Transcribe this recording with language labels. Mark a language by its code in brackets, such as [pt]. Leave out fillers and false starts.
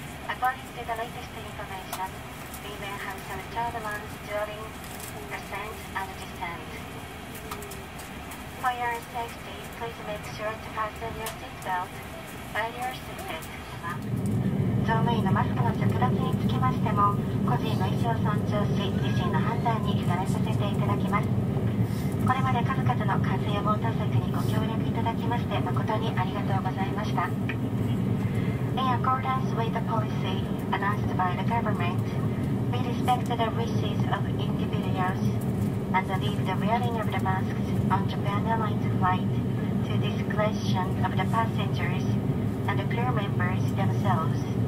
[en] According to the latest information, we may have some turbulence during ascent and descent. For your safety, please make sure to fasten your seatbelt while you're seated. [ja] 乗務員のマスクの着脱につきましても、個人の意思を尊重し、自身の判断に委ねさせていただきます。これまで数々の感染予防対策にご協力いただきまして、誠にありがとうございました。 [en] In accordance with the policy announced by the government, we respect the wishes of individuals and leave the wearing of the masks on Japan Airlines flight to the discretion of the passengers and the crew members themselves.